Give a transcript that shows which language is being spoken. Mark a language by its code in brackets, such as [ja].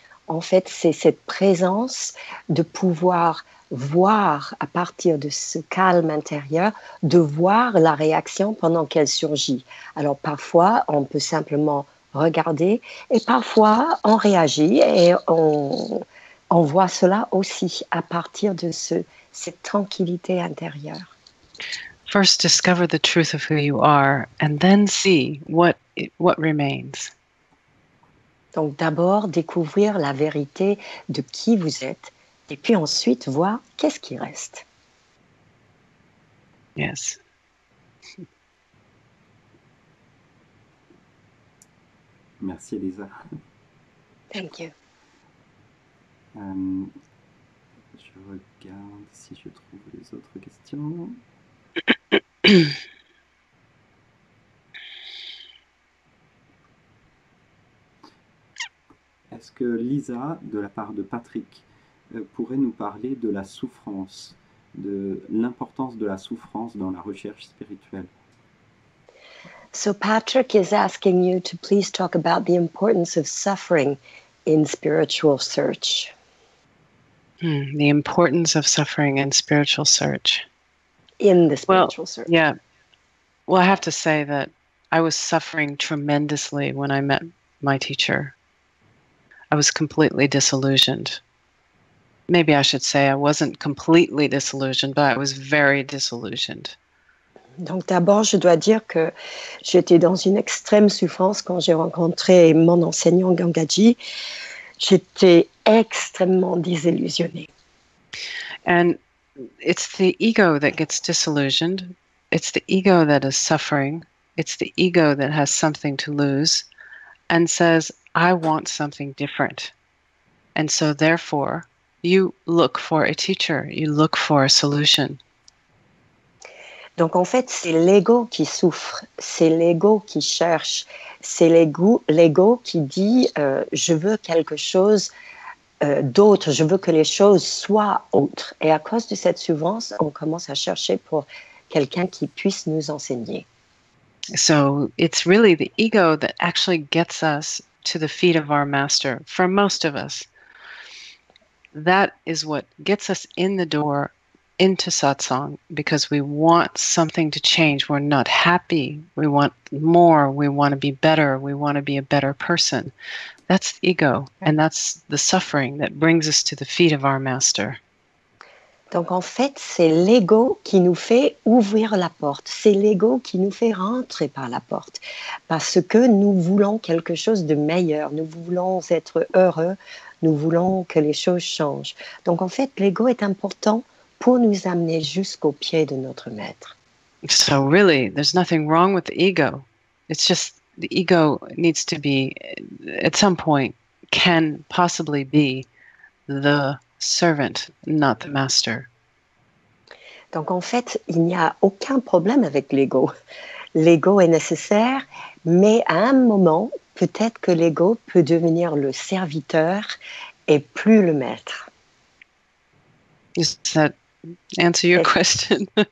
[fr] En fait, c'est cette présence de pouvoir voir à partir de ce calme intérieur, de voir la réaction pendant qu'elle surgit. Alors, parfois, on peut simplement regarder et parfois, on réagit et on voit cela aussi à partir de cette tranquillité intérieure. [en] first discover the truth of who you are and then see what remains. [fr] Donc d'abord découvrir la vérité de qui vous êtes et puis ensuite voir qu'est-ce qui reste. [en] Yes. [fr] Merci Elisa. [en] Thank you. [fr] Je regarde si je trouve les autres questions. Est-ce que Lisa, de la part de Patrick, pourrait nous parler de la souffrance, de l'importance de la souffrance dans la recherche spirituelle? [en] So Patrick is asking you to please talk about the importance of suffering in spiritual search. The importance of suffering in spiritual search. In the spiritual search. Yeah. Well, I have to say that I was suffering tremendously when I met my teacher. I was completely disillusioned. Maybe I should say I wasn't completely disillusioned, but I was very disillusioned. [fr] Donc d'abord, je dois dire que j'étais dans une extrême souffrance quand j'ai rencontré mon enseignant Gangaji. J'étais extrêmement désillusionnée. [en] And it's the ego that gets disillusioned. It's the ego that is suffering. It's the ego that has something to lose and says, I want something different. And so therefore, you look for a teacher. You look for a solution. [fr] Donc en fait, c'est l'ego qui souffre, c'est l'ego qui cherche, c'est l'ego qui dit je veux quelque chose d'autre, je veux que les choses soient autres. Et à cause de cette souffrance, on commence à chercher pour quelqu'un qui puisse nous enseigner. [en] So it's really the ego that actually gets us to the feet of our master, for most of us. That is what gets us in the door into satsang, because we want something to change. We're not happy. We want more. We want to be better. We want to be a better person. That's ego, and that's the suffering that brings us to the feet of our master. [fr] Donc en fait, c'est l'ego qui nous fait ouvrir la porte. C'est l'ego qui nous fait rentrer par la porte, parce que nous voulons quelque chose de meilleur. Nous voulons être heureux. Nous voulons que les choses changent. Donc en fait, l'ego est important pour nous amener jusqu'au pied de notre maître. [en] So really, there's nothing wrong with the ego. It's just the ego needs to be, at some point, can possibly be the servant, not the master. [fr] Donc en fait, il n'y a aucun problème avec l'ego. L'ego est nécessaire, mais à un moment, peut-être que l'ego peut devenir le serviteur et plus le maître. [en] Is that answer your question.